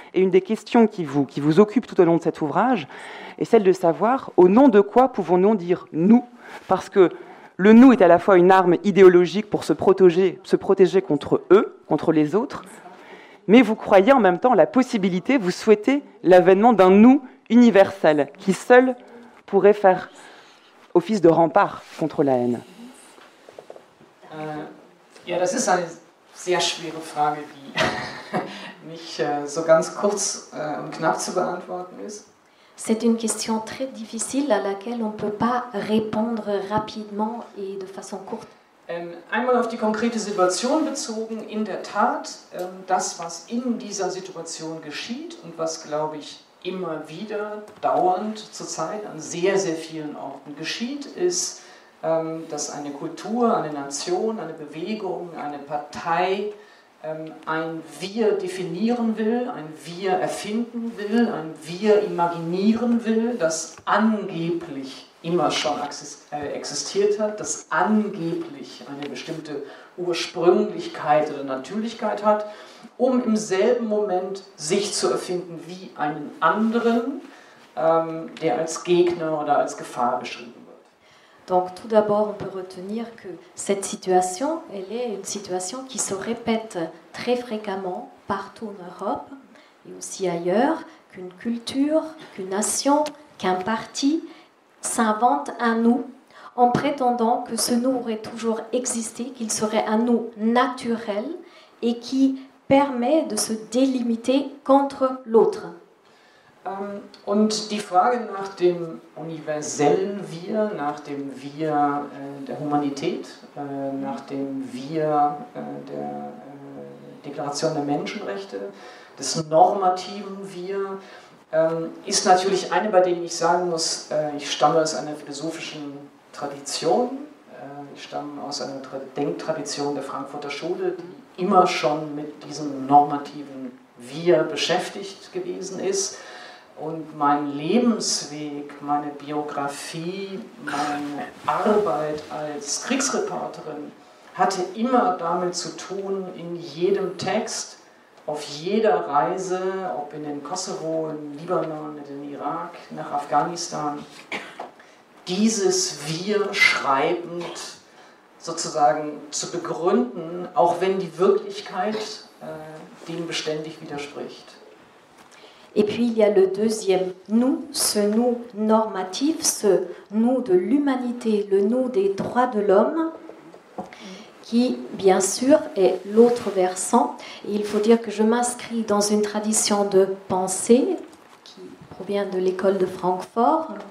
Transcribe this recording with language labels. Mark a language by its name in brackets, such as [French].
[French] Et une des questions qui vous occupe tout au long de cet ouvrage est celle de savoir au nom de quoi pouvons-nous dire « nous » parce que le « nous » est à la fois une arme idéologique pour se protéger contre eux, contre les autres, mais vous croyez en même temps la possibilité, vous souhaitez l'avènement d'un « nous » universel qui seul pourrait faire office de rempart contre la haine. [German] Ja, das ist eine sehr schwere Frage, die nicht so ganz kurz und knapp zu beantworten ist. C'est une question très difficile à laquelle on peut pas répondre rapidement et de façon courte. Einmal auf die konkrete Situation bezogen, in der Tat, das, was in dieser Situation geschieht und was, glaube ich, immer wieder dauernd zurzeit an sehr, sehr vielen Orten geschieht, ist, dass eine Kultur, eine Nation, eine Bewegung, eine Partei ein Wir definieren will, ein Wir erfinden will, ein Wir imaginieren will, das angeblich immer schon existiert hat, das angeblich eine bestimmte Ursprünglichkeit oder Natürlichkeit hat, um im selben Moment sich zu erfinden wie einen anderen, der als Gegner oder als Gefahr beschrieben wird. [French] Donc tout d'abord, on peut retenir que cette situation, elle est une situation qui se répète très fréquemment partout en Europe, et aussi ailleurs, qu'une culture, qu'une nation, qu'un parti s'invente un nous en prétendant que ce nous aurait toujours existé, qu'il serait un nous naturel et qui permet de se délimiter contre l'autre. [German] Und die Frage nach dem universellen Wir, nach dem Wir der Humanität, nach dem Wir der Deklaration der Menschenrechte, des normativen Wir, ist natürlich eine, bei der ich sagen muss, ich stamme aus einer philosophischen Tradition, ich stamme aus einer Denktradition der Frankfurter Schule, die immer schon mit diesem normativen Wir beschäftigt gewesen ist. Und mein Lebensweg, meine Biografie, meine Arbeit als Kriegsreporterin hatte immer damit zu tun, in jedem Text, auf jeder Reise, ob in den Kosovo, in Libanon, in den Irak, nach Afghanistan, dieses Wir schreibend sozusagen zu begründen, auch wenn die Wirklichkeit dem beständig widerspricht. [French] Et puis il y a le deuxième nous, ce nous normatif, ce nous de l'humanité, le nous des droits de l'homme, qui bien sûr est l'autre versant. Et il faut dire que je m'inscris dans une tradition de pensée qui provient de l'école de Francfort.